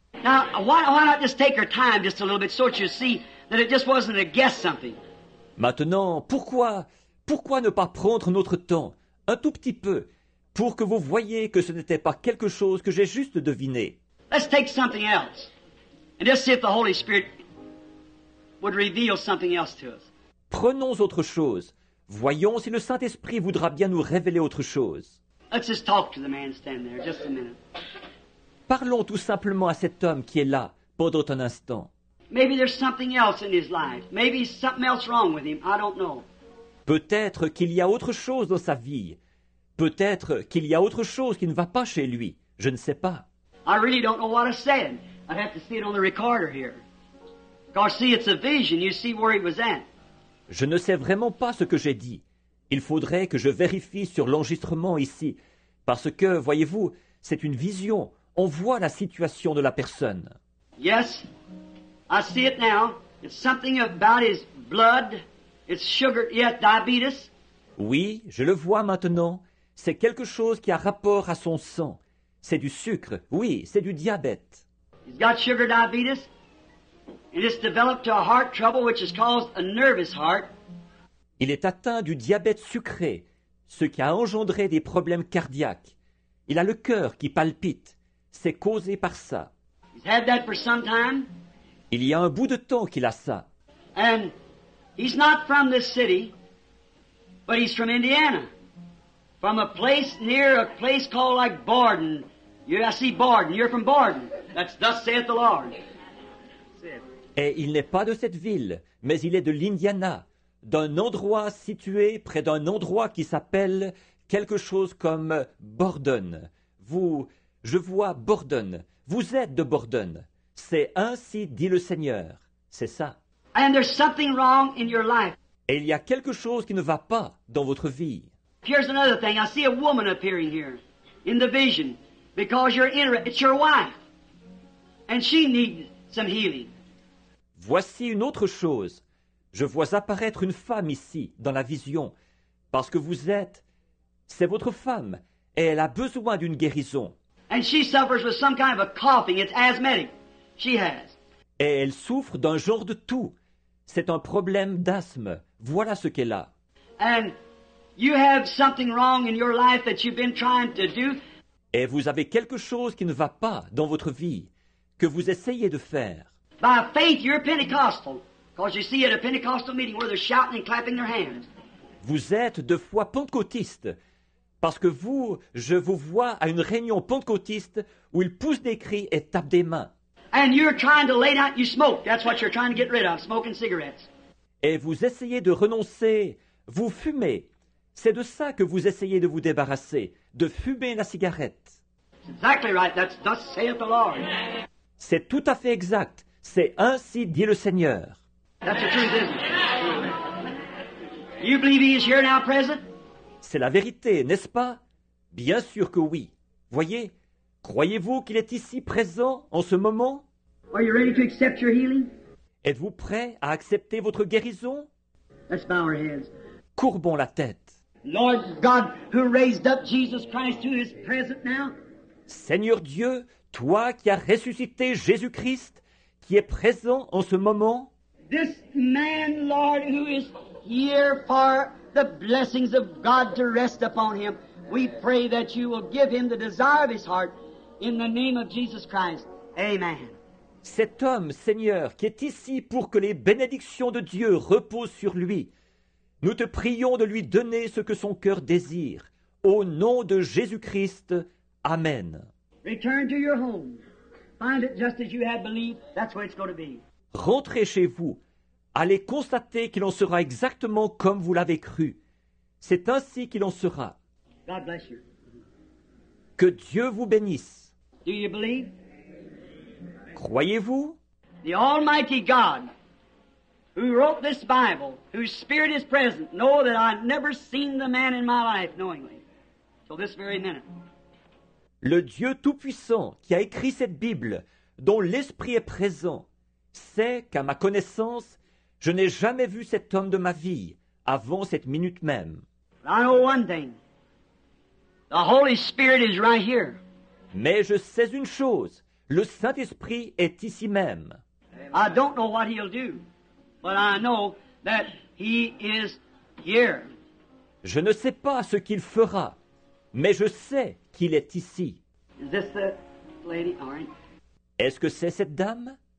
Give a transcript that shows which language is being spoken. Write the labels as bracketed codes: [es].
[en] Now, why not just take your time just a little bit so that you see that it just wasn't a guess something? [fr] Maintenant, pourquoi ne pas prendre notre temps, un tout petit peu, pour que vous voyez que ce n'était pas quelque chose que j'ai juste deviné? [en] Let's take something else and just see if the Holy Spirit would reveal something else to us. [fr] Prenons autre chose. Voyons si le Saint-Esprit voudra bien nous révéler autre chose. [en] Let's just talk to the man standing there, just a minute. [fr] Parlons tout simplement à cet homme qui est là pendant un instant. [en] Maybe there's something else in his life. Maybe something else wrong with him. I don't know. [fr] Peut-être qu'il y a autre chose dans sa vie. Peut-être qu'il y a autre chose qui ne va pas chez lui. Je ne sais pas. [en] I really don't know what I said. I'd have to see it on the recorder here. Garcia, it's a vision. You see where he was at. [fr] Je ne sais vraiment pas ce que j'ai dit. Il faudrait que je vérifie sur l'enregistrement ici. Parce que, voyez-vous, c'est une vision. On voit la situation de la personne. [en] Yes, I see it now. It's something about his blood. It's sugar, yes, diabetes. [fr] Oui, je le vois maintenant. C'est quelque chose qui a rapport à son sang. C'est du sucre. Oui, c'est du diabète. [en] He's got sugar diabetes. And it's developed to a heart trouble which has caused a nervous heart. [fr] Il est atteint du diabète sucré, ce qui a engendré des problèmes cardiaques. Il a le cœur qui palpite. C'est causé par ça. [en] He's had that for some time. [fr] Il y a un bout de temps qu'il a ça. [en] And he's not from this city, but he's from Indiana. From a place near a place called like Borden. I see Borden. You're from Borden. That's thus saith the Lord. [fr] Et il n'est pas de cette ville, mais il est de l'Indiana, d'un endroit situé près d'un endroit qui s'appelle quelque chose comme Borden. Je vois Borden. Vous êtes de Borden. C'est ainsi dit le Seigneur. C'est ça. [en] And there's something wrong in your life. [fr] Et il y a quelque chose qui ne va pas dans votre vie. [en] Here's another thing. I see a woman appearing here in the vision because you're interested. It's your wife. And she needs some healing. [fr] Voici une autre chose. Je vois apparaître une femme ici, dans la vision, parce que vous êtes... C'est votre femme, et elle a besoin d'une guérison. [en] And she suffers with some kind of a coughing. It's asthmatic. She has. [fr] Et elle souffre d'un genre de toux. C'est un problème d'asthme. Voilà ce qu'elle a. [en] And you have something wrong in your life that you've been trying to do. [fr] Et vous avez quelque chose qui ne va pas dans votre vie, que vous essayez de faire. [en] By faith, you're Pentecostal, because you see at a Pentecostal meeting where they're shouting and clapping their hands. [fr] Vous êtes de foi pentecôtiste, parce que vous, je vous vois à une réunion pentecôtiste où ils poussent des cris et tapent des mains. [en] And you're trying to lay down, you smoke, that's what you're trying to get rid of, smoking cigarettes. [fr] Et vous essayez de renoncer, vous fumez. C'est de ça que vous essayez de vous débarrasser, de fumer la cigarette. [en] Exactly right, that's thus saith the Lord. [fr] C'est tout à fait exact. C'est ainsi dit le Seigneur. [en] That's the truth, isn't it? You believe he is here now present? [fr] C'est la vérité, n'est-ce pas? Bien sûr que oui. Voyez, croyez-vous qu'il est ici présent en ce moment? [en] Are you ready to accept your healing? [fr] Êtes-vous prêt à accepter votre guérison? [en] Let's bow our heads. [fr] Courbons la tête. [en] Lord God, who raised up Jesus Christ who is present now? [fr] Seigneur Dieu, toi qui as ressuscité Jésus-Christ, qui est présent en ce moment. [en] This man, Lord, who is here for the blessings of God to rest upon him, we pray that you will give him the desire of his heart in the name of Jesus Christ. Amen. [fr] Cet homme, Seigneur, qui est ici pour que les bénédictions de Dieu reposent sur lui, nous te prions de lui donner ce que son cœur désire. Au nom de Jésus-Christ, amen. [en] Return to your home. Find it just as you have believed. That's where it's going to be. [fr] Rentrez chez vous. allez constater qu'il en sera exactement comme vous l'avez cru. C'est ainsi qu'il en sera. [en] God bless you. [fr] Que Dieu vous bénisse. [en] Do you believe? [fr] Croyez-vous? [en] The Almighty God, who wrote this Bible, whose Spirit is present, know that I've never seen the man in my life knowingly, till this very minute. [fr] Le Dieu Tout-Puissant qui a écrit cette Bible, dont l'Esprit est présent, sait qu'à ma connaissance, je n'ai jamais vu cet homme de ma vie avant cette minute même. [en] I know one thing. The Holy Spirit is right here. [fr] Mais je sais une chose, le Saint-Esprit est ici même. [en] I don't know what he'll do, but I know that he is here. [fr] Je ne sais pas ce qu'il fera, mais je sais qu'il est ici. [en] Is this the lady, Arne? [fr] Est-ce que c'est cette dame?